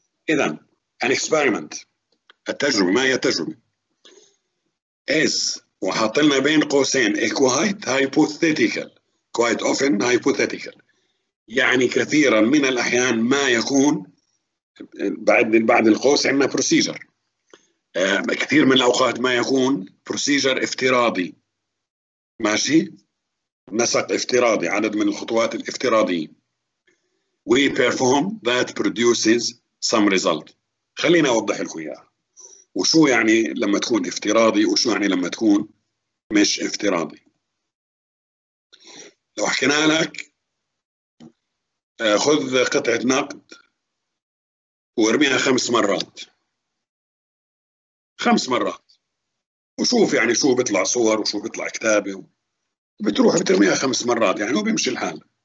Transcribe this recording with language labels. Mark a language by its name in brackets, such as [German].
[Arabic] إذن [English] an experiment، [Arabic] التجربة، ما هي التجربة؟ [English] is [Arabic] وحطلنا بين قوسين [English] a quite hypothetical، quite often hypothetical، [Arabic] يعني كثيرا من الأحيان ما يكون. بعد القوس عندنا procedure، كثير من الأوقات ما يكون procedure افتراضي، ماشي، نسق افتراضي، عدد من الخطوات الافتراضية. [English] we perform that produces some result. [Arabic] خلينا أوضح لكم إياها وشو يعني لما تكون افتراضي وشو يعني لما تكون مش افتراضي. لو حكينا لك خذ قطعة نقد وارميها خمس مرات وشوف يعني شو بيطلع صور وشو بيطلع كتابة، بتروح بترميها خمس مرات يعني وبيمشي الحال.